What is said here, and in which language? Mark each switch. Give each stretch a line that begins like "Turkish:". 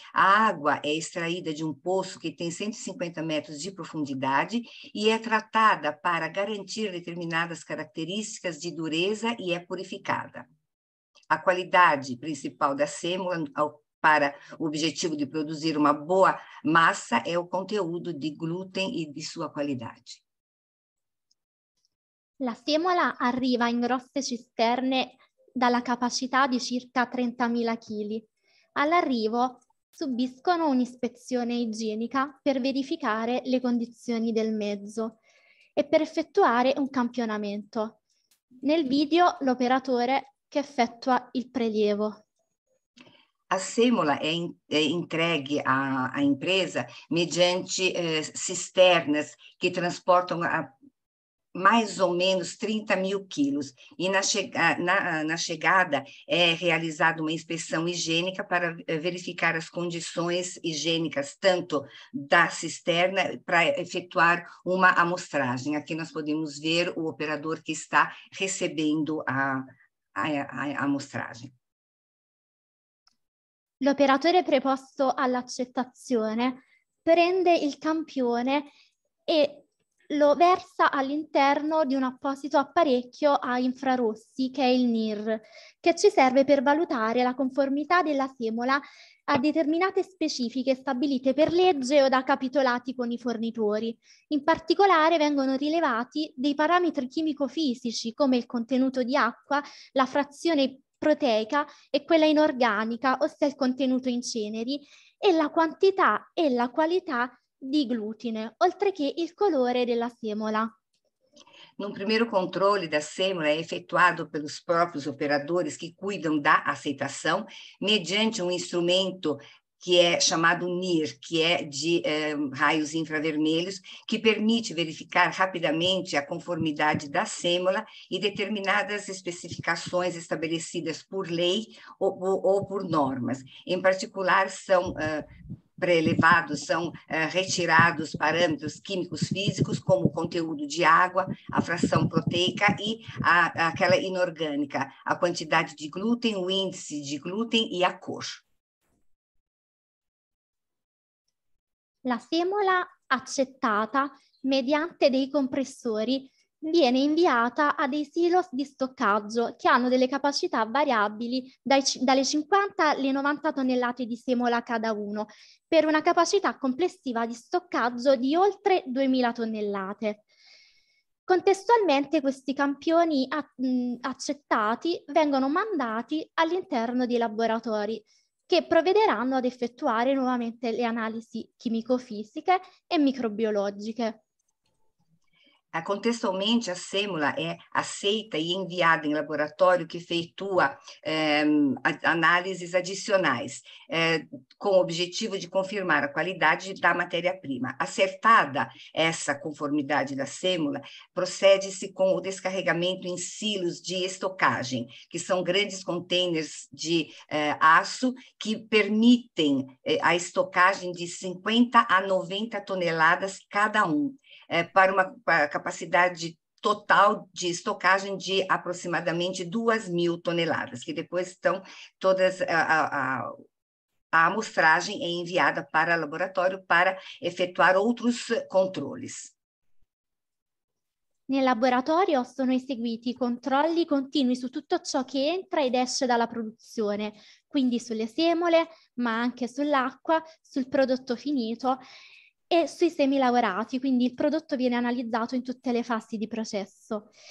Portuguese: A água é extraída de um poço que tem 150 metros de profundidade e é tratada para garantir determinadas características de dureza e é purificada. A qualidade principal da sêmola para o objetivo de produzir uma boa massa é o conteúdo de glúten e de sua qualidade.
Italian: La semola arriva in grosse cisterne dalla capacità di circa 30.000 kg. All'arrivo subiscono un'ispezione igienica per verificare le condizioni del mezzo e per effettuare un campionamento. Nel video l'operatore che effettua il prelievo.
Portuguese: A sêmola é entregue à empresa mediante cisternas que transportam a mais ou menos 30 mil quilos. E na chegada é realizada uma inspeção higiênica para verificar as condições higiênicas tanto da cisterna para efetuar uma amostragem. Aqui nós podemos ver o operador que está recebendo a amostragem.
Italian: L'operatore preposto all'accettazione prende il campione e lo versa all'interno di un apposito apparecchio a infrarossi, che è il NIR, che ci serve per valutare la conformità della semola a determinate specifiche stabilite per legge o da capitolati con i fornitori. In particolare vengono rilevati dei parametri chimico-fisici come il contenuto di acqua, la frazione proteica e quella inorganica, ossia il contenuto in ceneri, e la quantità e la qualità di glutine, oltre che il colore della semola.
Portuguese: Num primeiro controle da sêmola é efetuado pelos próprios operadores que cuidam da aceitação, mediante um instrumento que é chamado NIR, que é de raios infravermelhos, que permite verificar rapidamente a conformidade da sêmola e determinadas especificações estabelecidas por lei ou por normas. Em particular, são pré-elevados, são retirados parâmetros químicos físicos, como o conteúdo de água, a fração proteica e aquela inorgânica, a quantidade de glúten, o índice de glúten e a cor.
Italian: La semola accettata mediante dei compressori viene inviata a dei silos di stoccaggio che hanno delle capacità variabili dalle 50 alle 90 tonnellate di semola cada uno, per una capacità complessiva di stoccaggio di oltre 2.000 tonnellate. Contestualmente questi campioni accettati vengono mandati all'interno dei laboratori, che provvederanno ad effettuare nuovamente le analisi chimico-fisiche e microbiologiche.
Portuguese: Contestualmente, a sêmola é aceita e enviada em laboratório que efetua análises adicionais, com o objetivo de confirmar a qualidade da matéria-prima. Acertada essa conformidade da sêmola, procede-se com o descarregamento em silos de estocagem, que são grandes containers de aço que permitem a estocagem de 50 a 90 toneladas cada um. Para a capacidade total de estocagem de aproximadamente 2 mil toneladas, que depois estão todas, a amostragem é enviada para laboratório para efetuar outros controles.
Italian: Nel laboratorio sono eseguiti controlli continui su tutto ciò che entra ed esce dalla produzione, quindi sulle semole, ma anche sull'acqua, sul prodotto finito. E sui semi lavorati, quindi il prodotto viene analizzato in tutte le fasi di processo.